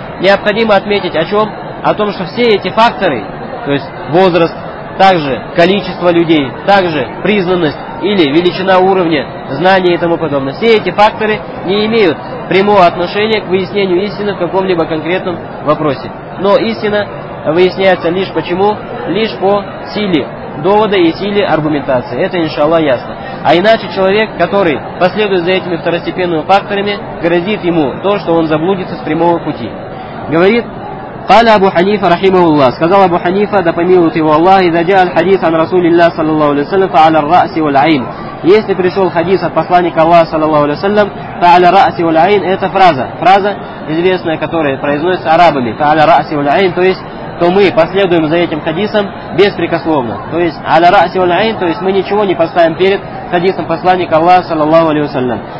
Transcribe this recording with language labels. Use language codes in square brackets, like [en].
[ru] Необходимо отметить о чем? О том, что все эти факторы, то есть возраст, также количество людей, также признанность или величина уровня знания и тому подобное, все эти факторы не имеют прямого отношения к выяснению истины в каком-либо конкретном вопросе. Но истина выясняется лишь почему? Лишь по силе довода и силе аргументации. Это, иншаллах, ясно. А иначе человек, который последует за этими второстепенными факторами, грозит ему то, что он заблудится с прямого пути. Говорит, [ar] قال أبو حنيفة رحمه الله [ru] сказал [ar] أبو حنيفة [ru] да помилует его Аллах [ar] إذا جاء الحديث عن رسول الله صلى الله عليه وسلم فعلى الرأس والعين. [ru] Если пришел хадис от посланника Аллаха صلى الله عليه وسلم [ar] فعلى الرأس والعين, [ru] это фраза известная, которая произносится арабами, فعلى الرأس والعين, то есть то мы последуем за этим хадисом беспрекословно, то есть [ar] على الرأس والعين, [ru] то есть мы ничего не поставим перед хадисом посланника Аллаха صلى الله عليه وسلم.